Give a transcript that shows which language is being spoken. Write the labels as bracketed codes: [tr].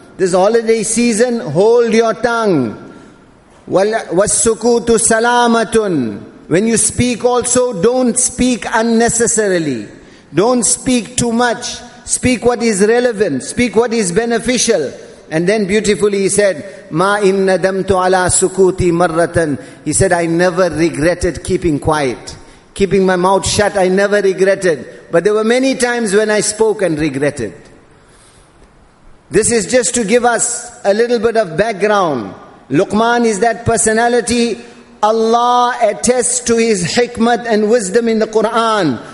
[en] This holiday season, hold your tongue. [ar] وَالسُّكُوتُ salamatun. [en] When you speak also, don't speak unnecessarily. Don't speak too much. Speak what is relevant. Speak what is beneficial. And then beautifully he said, [ar] مَا إِن نَدَمْتُ عَلَىٰ سُكُوتِ مَرَّةً. [en] He said, I never regretted keeping quiet. Keeping my mouth shut, I never regretted. But there were many times when I spoke and regretted. This is just to give us a little bit of background. Luqman is that personality. Allah attests to his hikmat and wisdom in the Quran.